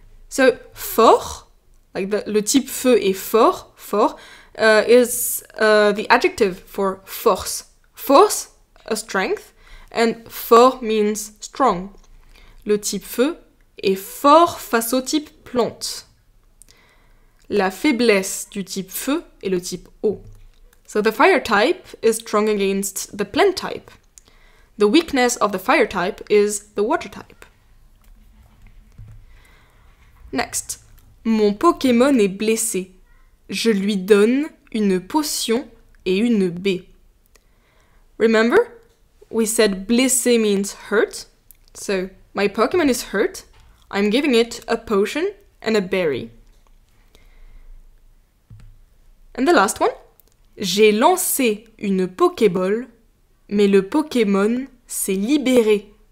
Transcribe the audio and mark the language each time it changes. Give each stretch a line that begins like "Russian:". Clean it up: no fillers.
English: So, fort, like the,
French: le type feu est fort,
English: fort, is the adjective for force. Force, a strength, and fort means strong.
French: Le type feu est fort face au type plante. La faiblesse du type feu est le type eau.
English: So the fire type is strong against the plant type. The weakness of the fire type is the water type. Next.
French: Mon Pokémon est blessé. Je lui donne une potion et une baie.
English: Remember, we said blessé means hurt. So, my Pokémon is hurt. I'm giving it a potion and a berry. And the last one.
French: J'ai lancé une Pokéball, mais le Pokémon s'est libéré.